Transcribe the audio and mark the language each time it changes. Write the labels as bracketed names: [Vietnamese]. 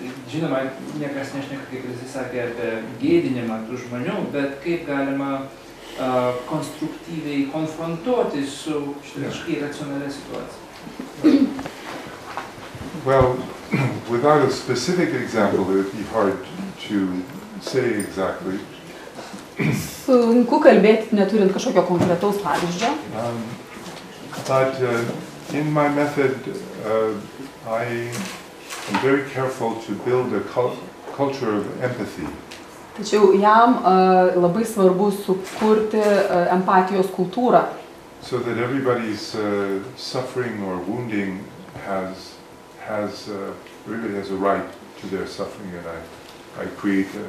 [Lithuanian] Žinoma, niekas nešneka, kaip jis sakė, apie gėdinimą tų žmonių, bet kaip galima konstruktyviai konfrontuoti su štai racionalia situacija. [English] Well, without a specific example, it would be hard to say exactly. [Lithuanian] Sunku kalbėti, neturint kažkokio konkretaus pavyzdžio. [English] But in my method, I'm very careful to build a culture of empathy. [Lithuanian] Tačiau jam labai svarbu sukurti empatijos kultūrą. [English] So that everybody's suffering or wounding has really has a right to their suffering, and I create